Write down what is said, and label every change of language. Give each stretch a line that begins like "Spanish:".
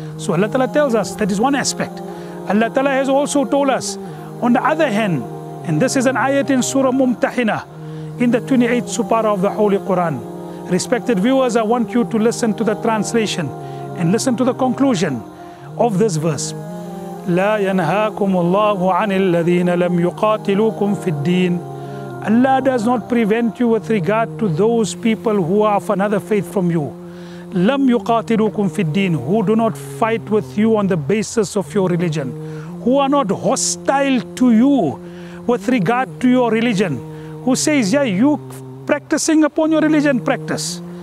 English: So Allah Ta'ala tells us that is one aspect. Allah Ta'ala has also told us, on the other hand, and this is an ayat in Surah Mumtahina, in the 28th Supara of the Holy Quran. Respected viewers, I want you to listen to the translation and listen to the conclusion of this verse.
Arabic: لا ينهاكم الله عن الذين لم يقاتلوكم في الدين.
English: Allah does not prevent you with regard to those people who are of another faith from you.
Arabic: لَمْ يُقَاتِلُوكُمْ فِي الدِّينِ,
English: who do not fight with you on the basis of your religion, who are not hostile to you with regard to your religion, who says, yeah, you practicing upon your religion, practice.